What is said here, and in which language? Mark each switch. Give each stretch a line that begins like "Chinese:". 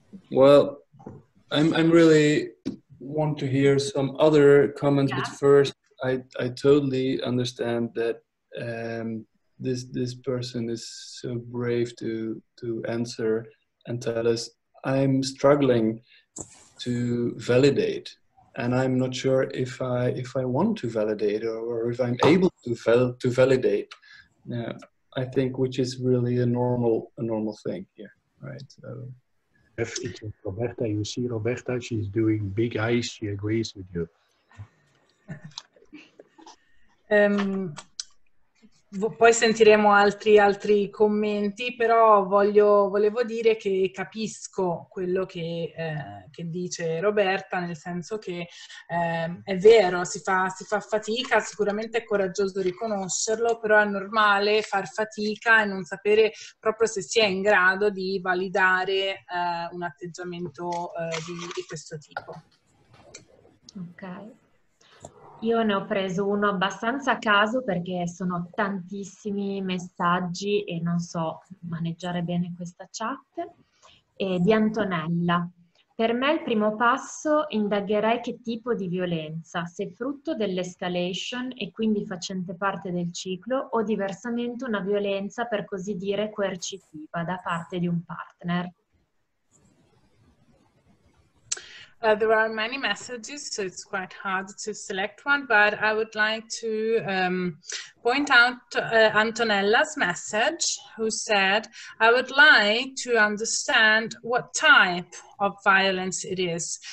English: Well, I'm really want to hear some other comments, yeah. But first, I totally understand that this person is so brave to answer and tell us, I'm struggling to validate, and I'm not sure if I want to validate or if I'm able to validate. Yeah. I think, which is really a normal thing here, right? So. If it's Roberta, you see Roberta, she's doing big eyes, she agrees with you.
Italian: Poi sentiremo altri commenti, però volevo dire che capisco quello che dice Roberta, nel senso che è vero, si fa fatica, sicuramente è coraggioso riconoscerlo, però è normale far fatica e non sapere proprio se si è in grado di validare un atteggiamento di questo tipo. Ok. Io ne ho preso uno abbastanza a caso perché sono tantissimi messaggi e non so maneggiare bene questa chat. E di Antonella. Per me il primo passo indagherei che tipo di violenza, se frutto dell'escalation e quindi facente parte del ciclo o diversamente una violenza per così dire coercitiva da parte di un partner.
English: There are many messages, so it's quite hard to select one, but I would like to point out Antonella's message, who said, I would like to understand what type of violence it is.